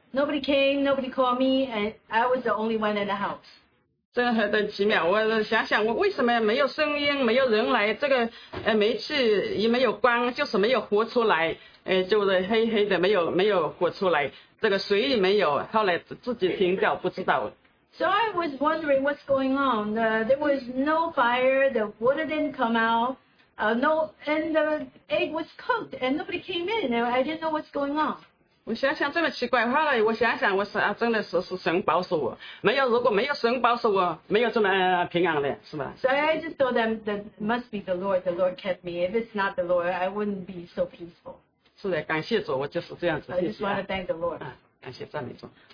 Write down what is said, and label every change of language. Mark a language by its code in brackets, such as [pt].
[en] Nobody came, nobody called me, and I was the only one in the house. [zh] 真的很奇妙，我想想，我为什么没有声音，没有人来，这个煤气也没有关，就是没有火出来，就是黑黑的，没有火出来，这个水也没有，后来自己停掉，不知道。 [en] So I was wondering what's going on. There was no fire, the water didn't come out, no, and the egg was cooked, and nobody came in. I didn't know what's going on. [zh] 我想想这么奇怪，后来我想想，我是真的是神保守我，没有如果没有神保守我，没有这么平安的，是吧 [en] ？So I just thought that must be the Lord. The Lord kept me. If it's not the Lord, I wouldn't be so peaceful. [zh] 是的，感谢主，我就是这样子。 [en] I just want to thank the Lord. [zh] 感谢赞美主。